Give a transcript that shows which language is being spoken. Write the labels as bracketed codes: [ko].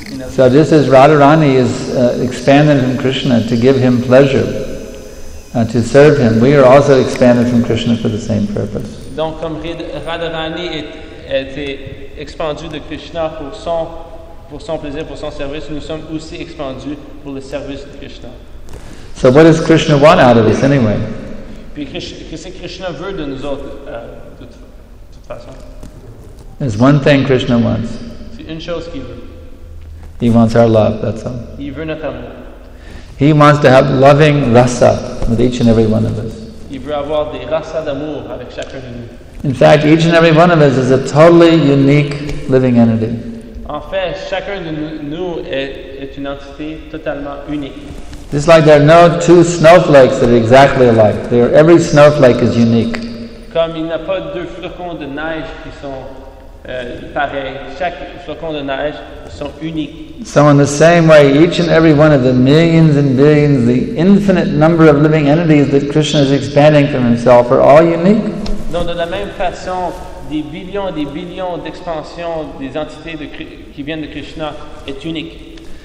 [en] So just as Radharani is expanded from Krishna to give him pleasure, to serve him, we are also expanded from Krishna for the same purpose. [fr] Donc comme Radharani était expandu de Krishna pour son plaisir, pour son service, nous sommes aussi expandus pour le service de Krishna. [en] So what does Krishna want out of us anyway? [fr] Puis qu'est-ce que Krishna veut de nous autres, de toute façon? [en] There's one thing Krishna wants. [fr] C'est une chose qu'il veut. [en] He wants our love, that's all. [fr] Il veut notre amour. [en] He wants to have loving rasa with each and every one of us. [fr] Il veut avoir des rasa d'amour avec chacun de nous. [en] In fact, each and every one of us is a totally unique living entity. [fr] En fait, chacun de nous est une entité totalement unique. [en] It's like there are no two snowflakes that are exactly alike. Every snowflake is unique. [fr] Comme il n'y a pas deux flocons de neige qui sont pareils. Chaque flocon de neige sont uniques. [en] So in the same way, each and every one of the millions and billions, the infinite number of living entities that Krishna is expanding from himself are all unique. [fr] Donc de la même façon, des billions d'expansions des entités qui viennent de Krishna est unique.